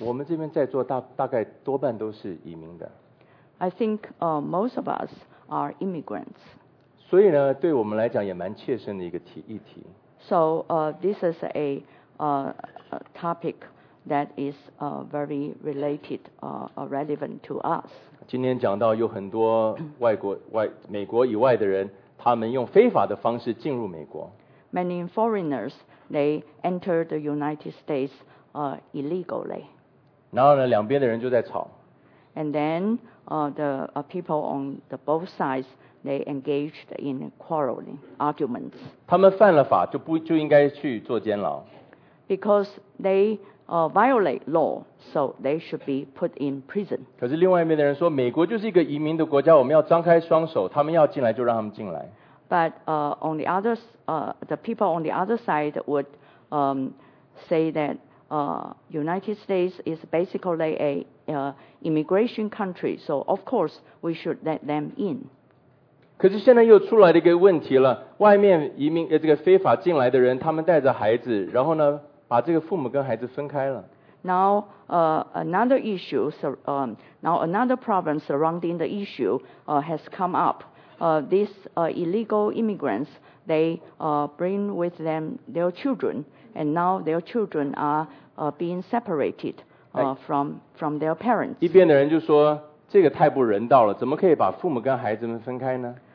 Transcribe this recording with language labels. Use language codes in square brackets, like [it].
[zh] 我们这边在座大概多半都是移民的。 [en] I think, most of us are immigrants. [zh] 所以呢，对我们来讲也蛮切身的一个议题。 [en] So, this is a topic that is, very related, relevant to us. [zh] 今天讲到有很多美国以外的人，他们用非法的方式进入美国。 [en] Many foreigners, they enter the United States, illegally. [zh] 然后呢，两边的人就在吵。 [en] And then, people on the both sides,They engaged in quarreling arguments. [zh] 他们犯了法就应该去坐监牢。 [en] Because they violate law, so they should be put in prison. [zh] 可是另外一边的人说，美国就是一个移民的国家，我们要张开双手，他们要进来就让他们进来。 [en] But on the other, the people on the other side would say that United States is basically a immigration country, so of course we should let them in. [zh] 可是现在又出来了一个问题了，外面移民这个非法进来的人，他们带着孩子，然后呢，把这个父母跟孩子分开了。 [en] Now, another issue, now another problem surrounding the issue, has come up. These, illegal immigrants, they, bring with them their children, and now their children are, being separated, from their parents. [zh] 一边的人就说，这个太不人道了，怎么可以把父母跟孩子们分开呢？